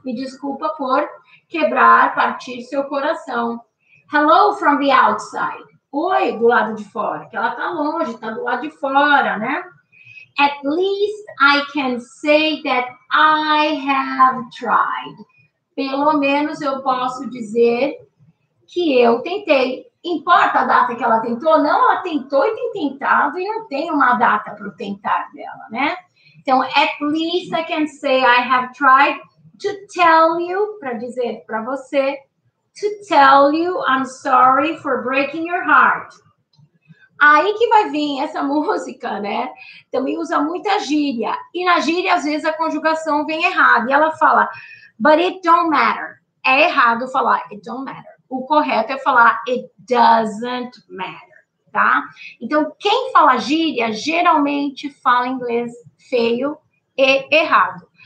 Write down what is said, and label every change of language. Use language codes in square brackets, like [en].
[pt] Me desculpa por quebrar, partir seu coração. [en] Hello from the outside. [pt] Oi, do lado de fora, que ela tá longe, tá do lado de fora, né? [en] At least I can say that I have tried. [pt] Pelo menos eu posso dizer que eu tentei. Importa a data que ela tentou, não, ela tentou e tem tentado e não tem uma data para o tentar dela, né? Então, [en] at least I can say I have tried to tell you, [pt] para dizer para você, [en] to tell you I'm sorry for breaking your heart. [pt] Aí que vai vir essa música, né? Também usa muita gíria. E na gíria, às vezes, a conjugação vem errada. E ela fala, [en] but it don't matter. [pt] É errado falar, [en] it don't matter. [pt] O correto é falar, [en] it doesn't matter, [pt] tá? Então, quem fala gíria, geralmente fala inglês feio e errado.